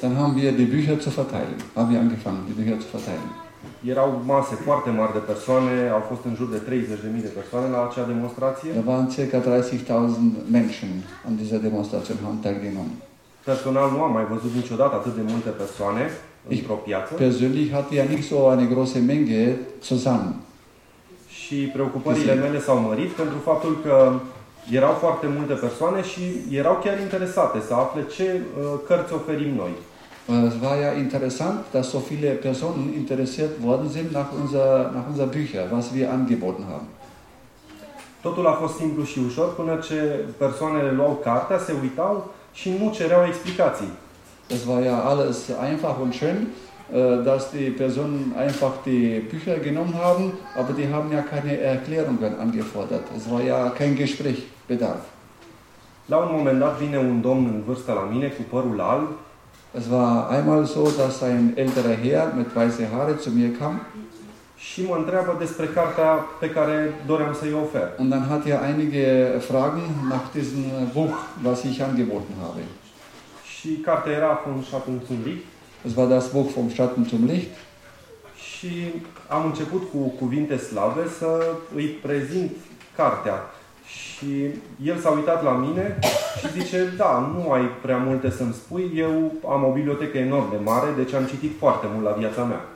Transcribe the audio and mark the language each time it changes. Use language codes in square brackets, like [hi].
[de] Dann haben wir die Bücher zu verteilen. Haben wir angefangen, die Bücher zu verteilen. [ro] Erau mase foarte mari de persoane, au fost în jur de 30.000 de persoane la acea demonstrație. [de] Da, waren circa 30.000 Menschen an dieser Demonstration haben teilgenommen. [ro] Personal nu am mai văzut niciodată atât de multe persoane într-o piață. [de] Persönlich hatte ich ja nicht so eine große Menge zusammen. [ro] Și preocupările mele s-au mărit pentru faptul că erau foarte multe persoane și erau chiar interesate să afle ce cărți oferim noi. [de] Es war ja interessant, dass so viele Personen interessiert worden sind nach unser Bücher, was wir angeboten haben. [ro] Totul a fost simplu și ușor până ce persoanele luau cartea, se uitau și nu cereau explicații. [de] Es war ja alles einfach und schön, dass die Personen einfach die Bücher genommen haben, aber die haben ja keine Erklärungen angefordert. Es war ja kein Gesprächsbedarf. [ro] La un moment dat vine un domn în vârstă la mine cu părul alb. [de] Es war einmal so, dass ein älterer Herr mit weißen Haaren zu mir kam. [ro] Și mă întreabă despre cartea pe care doream să-i ofer. [de] Und dann hat er einige Fragen nach diesem Buch, was ich angeboten habe. [ro] Și cartea era Vom Schatten zum Licht. [de] Es war das Buch Vom Schatten zum Licht. [ro] Și am început cu cuvinte slabe să îi prezint cartea. Și el s-a uitat la mine și zice, da, nu ai prea multe să-mi spui, eu am o bibliotecă enorm de mare, deci am citit foarte mult la viața mea.